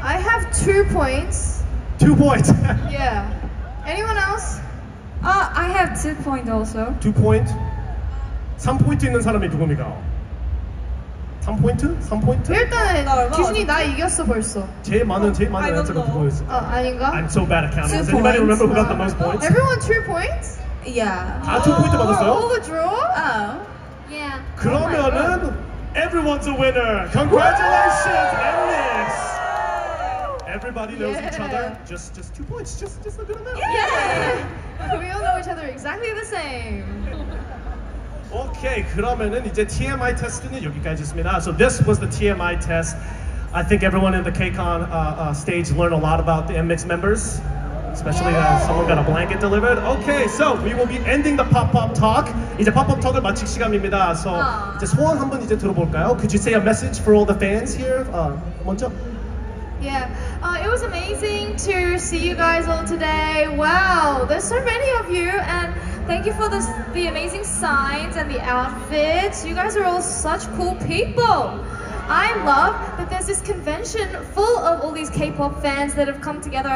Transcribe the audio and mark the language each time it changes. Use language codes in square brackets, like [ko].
[en] I have 2 points. Two points. Yeah. Anyone else? I have 2 points also. 2 points? [ko] 3 points 있는 사람이 누굽니까? 3포인트? 3포인트? 일단 귀신이 나 이겼어 벌써. 제일 많은 여자가 누구였어? 아닌가? [en] I'm so bad at counting. Does anybody remember who got the most points? Everyone 3 points? Yeah. [ko] 다 2포인트 받았어요? [en] All the draw? Oh. Yeah. [ko] 그러면은 [en] oh everyone's a winner. Congratulations, NMIXX. Everybody knows each other. Just 2 points. Just look at them. Yeah. We all know each other exactly the same. Okay, [ko] 그러면은 이제 TMI 테스트는 여기까지입니다. [en] So this was the TMI test. I think everyone in the KCON stage learned a lot about the NMIXX members, especially that someone got a blanket delivered. Okay, so we will be ending the pop-up talk. [ko] 이제 pop-up talk을 마칠 시간입니다. [en] So [ko] 이제 소원 한번 이제 들어볼까요? [en] Could you say a message for all the fans here? [ko] 먼저. [en] Yeah, it was amazing to see you guys all today. Wow, there's so many of you and thank you for the amazing signs and the outfits. You guys are all such cool people. I love that there's this convention full of all these K-pop fans that have come together.